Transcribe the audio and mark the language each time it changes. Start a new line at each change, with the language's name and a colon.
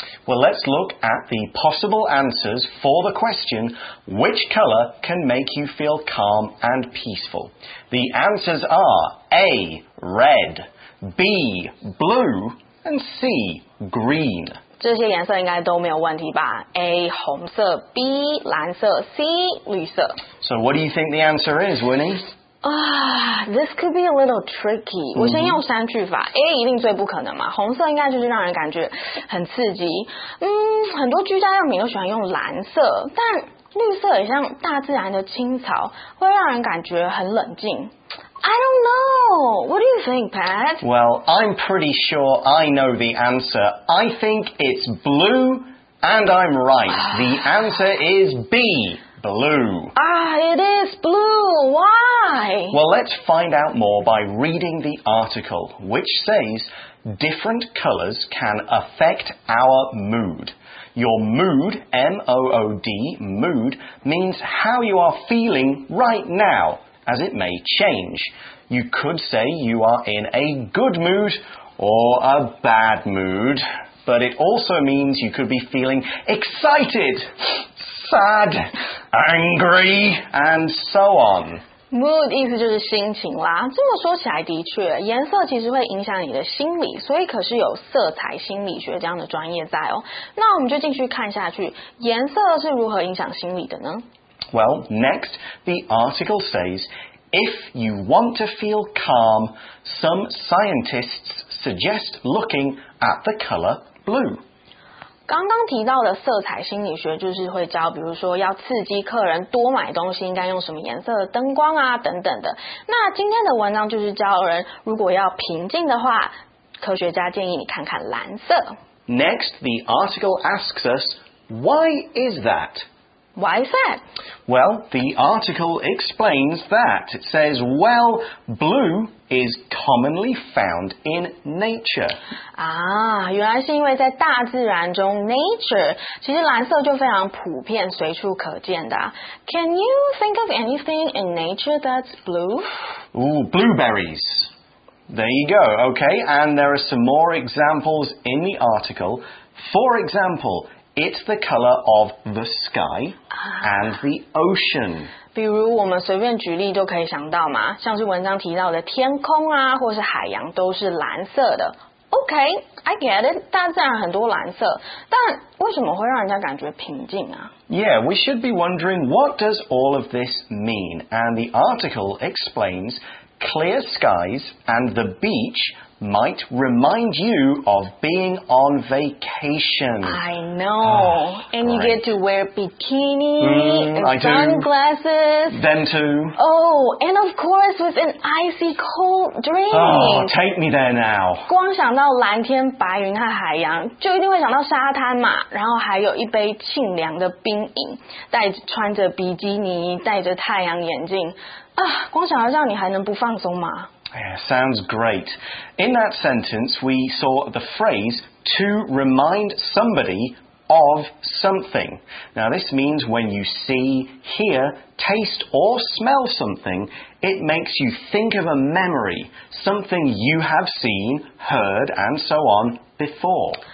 English: Well, let's look at the possible answers for the question, which color can make you feel calm and peaceful? The answers are A, red, B, blue, and C, green.
Chinese: 这些颜色应该都没有问题吧? A, 红色, B, 蓝色, C, 绿色。
English: So what do you think the answer is, Winnie? This could be a little tricky.
Chinese: 我先用三句法。 A 一定最不可能嘛，红色应该就是让人感觉很刺激。很多居家用品都喜欢用蓝色，但绿色也像大自然的青草，会让人感觉很冷静。
English: I don't know. What do you think, Pat? Well, I'm pretty sure I know the answer. I think it's blue, and I'm right. The answer is B. Blue. It is blue. Why? Well, let's find out more by reading the article, which says, different colors can affect our mood. Your mood, M-O-O-D, mood, means how you are feeling right now, as it may change. You could say you are in a good mood or a bad mood, but it also means you could be feeling excited, sad, angry, and so on.
Chinese: Mood 意思就是心情啦，这么说起来的确，颜色其实会影响你的心理，所以可是有色彩心理学这样的专业在哦。那我们就继续看下去，颜色是如何影响心理的呢？
English: Well, next, the article says, if you want to feel calm, some scientists suggest looking at the color blue.
Chinese: 刚刚提到的色彩心理学就是会教比如说要刺激客人多买东西应该用什么颜色的灯光啊等等的那今天的文章就是教人如果要平静的话科学家建议你看看蓝色
English: Next, the article asks us Why is that? Why is that? Well, the article explains that It says, well, blue is commonly found in nature.
Chinese: 啊，原来是因为在大自然中 nature, 其实蓝色就非常普遍随处可见的。
English: Can you think of anything in nature that's blue? Ooh, blueberries. There you go, okay. And there are some more examples in the article. For example, it's the color of the sky and the ocean.
Chinese: 比如我们随便举例都可以想到嘛，像是文章提到的天空啊，或是海洋都是蓝色的。
English: OK, I get it,
Chinese: 大自然很多蓝色，但为什么会让人家感觉平静啊？
English: Yeah, we should be wondering what does all of this mean? And the article explains clear skies and the beach might remind you of being on vacation. I know. Oh, and you get to wear bikini, sunglasses. Them too. Oh, and of course with an icy cold drink. Oh, take me there now.
Chinese: 光想到蓝天白云和海洋就一定会想到沙滩嘛然后还有一杯清凉的冰饮带穿着比基尼戴着太阳眼镜啊，光想到这样你还能不放松吗
English: Yeah, sounds great. In that sentence, we saw the phrase to remind somebody of something. Now, this means when you see, hear, taste, or smell something, it makes you think of a memory, something you have seen, heard, and so on before.